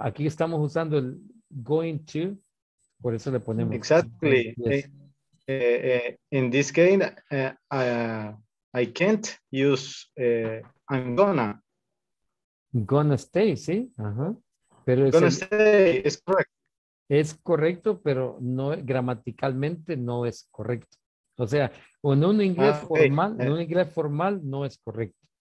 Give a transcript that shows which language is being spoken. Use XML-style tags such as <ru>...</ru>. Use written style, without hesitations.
<es>Aquí estamos usando el going to, por eso le ponemos.</es> <en>Exactly. Yes. In this case, I can't use I'm gonna stay,</en> <es>sí. Ajá. Pero es correcto. Es correcto, pero no gramaticalmente no es correcto. O sea, en un inglés formal, en un inglés formal no es correcto.</es>